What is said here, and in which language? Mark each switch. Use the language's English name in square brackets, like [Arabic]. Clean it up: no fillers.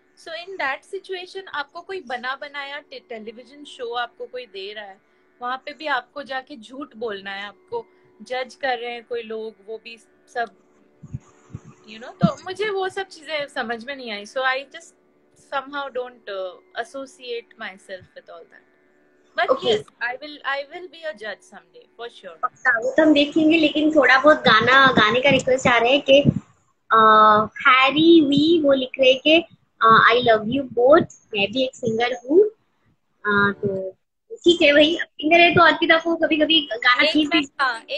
[English] so in that situation [Hindi] आपको कोई बना बनाया टेलीविजन शो आपको कोई दे रहा है, वहां पे भी आपको जाके झूठ बोलना है, आपको जज कर रहे हैं कोई लोग, वो भी सब यू नो. तो मुझे वो सब चीजें समझ में नहीं आई, [English] So I just somehow don't associate myself with all that. But okay. Yes, I will be a judge someday for sure. [Hindi] वो तो हम देखेंगे, लेकिन थोड़ा बहुत गाना गाने का रिक्वेस्ट आ रहे हैं कि Harry V वो लिख रहे हैं कि [English] I love you both. [Hindi] मैं भी एक सिंगर हूँ, तो ठीक है भाई, सिंगर है तो अर्पिता को कभी कभी गाना चाहिए.